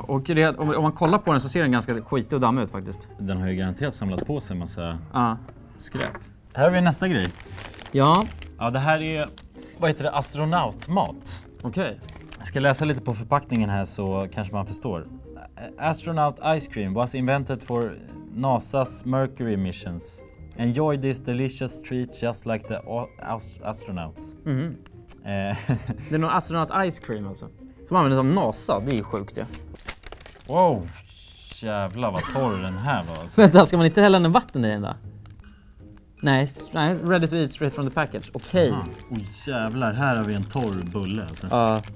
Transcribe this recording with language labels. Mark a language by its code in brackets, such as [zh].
[sv] Och det, om man kollar på den så ser den ganska skitig och dammig ut faktiskt. Den har ju garanterat samlat på sig en massa skräp. Här har vi nästa grej. Ja. Ja, det här är, vad heter det, astronautmat. Okej. [en] Okay. [sv] Jag ska läsa lite på förpackningen här så kanske man förstår. [en] Astronaut ice cream was invented for NASA's Mercury missions. Enjoy this delicious treat just like the astronauts. Mm. [sv] Det är någon astronaut ice cream alltså. Som används av NASA, det är ju sjukt ju. Ja. Wow, jävlar vad torr den här var alltså. Vänta, ska man inte hälla den vatten i den då? [en] Nej, ready to eat straight from the package, okej. Okay. [sv] Oj jävlar, här har vi en torr bulle alltså.